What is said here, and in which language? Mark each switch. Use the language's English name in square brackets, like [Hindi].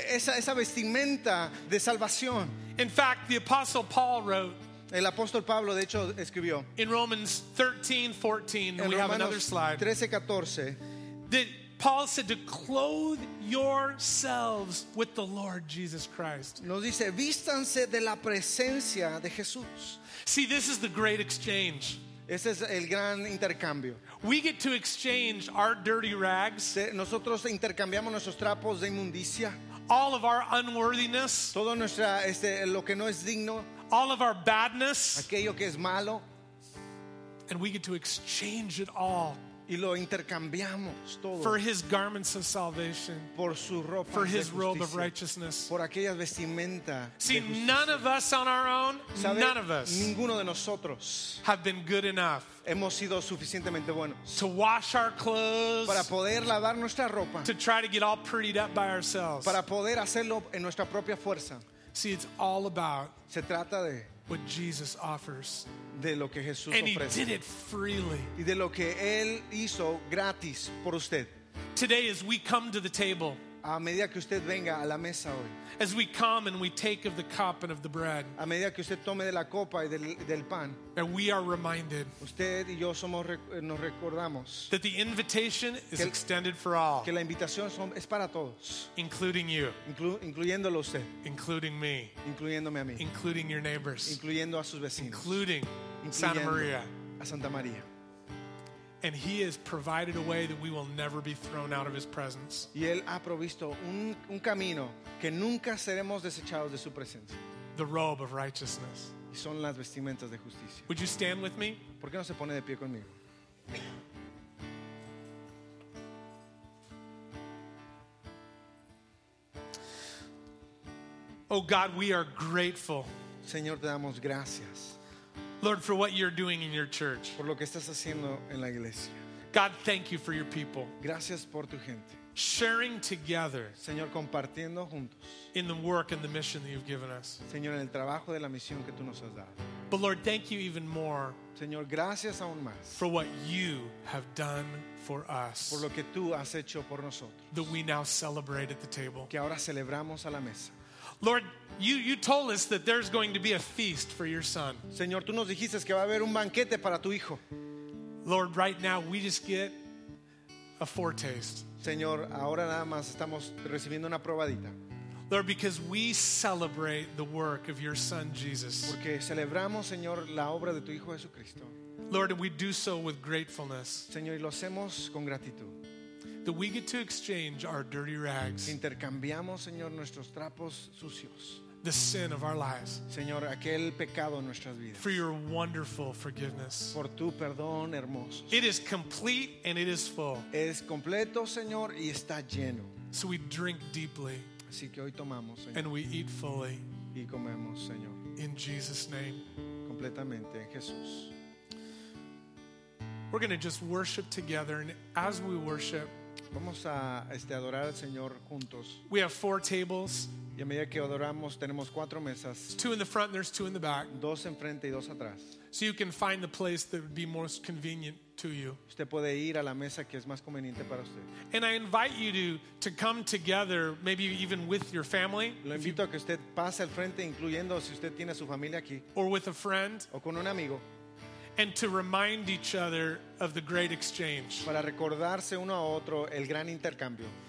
[Spanish] esa vestimenta de salvación. [English] In fact, the apostle Paul wrote, [Spanish] el apóstol Pablo de hecho escribió, [English] in Romans 13:14, we have another slide, [Spanish] 13:14, [English] that Paul said to clothe yourselves with the Lord Jesus Christ. [Spanish] Nos dice, vístanse de la presencia de Jesús. [English] See, this is the great exchange. [Spanish] Este es el gran intercambio. [English] We get to exchange our dirty rags. [Spanish] Nosotros intercambiamos nuestros trapos de inmundicia. [English] All of our unworthiness. [Spanish] Todo nuestra lo que no es digno. [English] All of our badness. [Spanish] Aquello que es malo. [English] And we get to exchange it all. [Spanish] Y lo intercambiamos todo. [English] For his garments of salvation. [Spanish] Por su ropa. [English] For his robe of righteousness. [Spanish] Por aquella vestimenta. [English] See, none of us on our own, none of us, [Spanish] ninguno de nosotros, [English] have been good enough, [Spanish] hemos sido suficientemente buenos, [English] to wash our clothes, [Spanish] para poder lavar nuestra ropa, [English] to try to get all prettied up by ourselves, [Spanish] para poder hacerlo en nuestra propia fuerza. [English] See, it's all about, [Spanish] se trata de, [English] what Jesus offers, [Spanish] de lo que Jesús [English] and [Spanish] ofrece, [English] he did it freely, [Spanish] y de lo que él hizo gratis por usted. [English] Today, as we come to the table, [Spanish] A medida que usted venga a la mesa hoy. [English] As we come and we take of the cup and of the bread. [Spanish] A medida que usted tome de la copa y del pan. [English] And we are reminded. [Spanish] Usted y yo somos nos recordamos. [English] That the invitation is extended for all. [Spanish] Que la invitación es para todos. [English] Including you. [Spanish] Incluyéndolo usted. [English] Including me. [Spanish] Incluyéndome a mí. [English] Including your neighbors. [Spanish] Incluyendo a sus vecinos. [English] Including Santa Maria. [Spanish] A Santa María. [English] And he has provided a way that we will never be thrown out of his presence. [Spanish] Y él ha provisto un camino que nunca seremos desechados de su presencia. [English] The robe of righteousness. [Spanish] Y son las vestimentas de justicia. [English] Would you stand with me? [Spanish] ¿Por qué no se pone de pie conmigo? [English] Oh God, we are grateful. [Spanish] Señor, te damos gracias. [English] Lord, for what you're doing in your church. [Spanish] Por lo que estás haciendo en la iglesia. [English] God, thank you for your people. [Spanish] Gracias por tu gente. [English] Sharing together. [Spanish] Señor, compartiendo juntos. [English] In the work and the mission that you've given us. [Spanish] Señor, en el trabajo de la misión que tú nos has dado. [English] But Lord, thank you even more. [Spanish] Señor, gracias aún más. [English] For what you have done for us. [Spanish] Por lo que tú has hecho por nosotros. [English] That we now celebrate at the table. [Spanish] Que ahora celebramos a la mesa. [English] Lord, you told us that there's going to be a feast for your son. [Spanish] Señor, tú nos dijiste que va a haber un banquete para tu hijo. [English] Lord, right now we just get a foretaste. [Spanish] Señor, ahora nada más estamos recibiendo una probadita. [English] Lord, because we celebrate the work of your son Jesus. [Spanish] Porque celebramos, Señor, la obra de tu hijo Jesucristo. [English] Lord, we do so with gratefulness. [Spanish] Señor, y lo hacemos con gratitud. [English] That we get to exchange our dirty rags. [Spanish] Intercambiamos, Señor, nuestros trapos sucios. [English] The sin of our lives. [Spanish] Señor, aquel pecado en nuestras vidas. [English] For your wonderful forgiveness. [Spanish] Por tu perdón hermoso. [English] It is complete and it is full. [Spanish] Es completo, Señor, y está lleno. [English] So we drink deeply. [Spanish] Así que hoy tomamos, Señor. [English] And we eat fully. [Spanish] Y comemos, Señor. [English] In Jesus' name. [Spanish] Completamente en Jesús. [English] We're going to just worship together, and as we worship, [Spanish] vamos a adorar al Señor juntos. [English] We have four tables. [Spanish] Y a medida que adoramos, tenemos cuatro mesas. [English] There's two in the front, and there's two in the back. [Spanish] Dos enfrente y dos atrás. [English] So you can find the place that would be most convenient to you. [Spanish] Usted puede ir a la mesa que es más conveniente para usted. [English] And I invite you to come together, maybe even with your family. [Spanish] Lo invito a que usted pase al frente, incluyendo si usted tiene su familia aquí. [English] Or with a friend. [Spanish] O con un amigo. [English] And to remind each other of the great exchange. [Spanish] Para recordarse uno a otro el gran intercambio.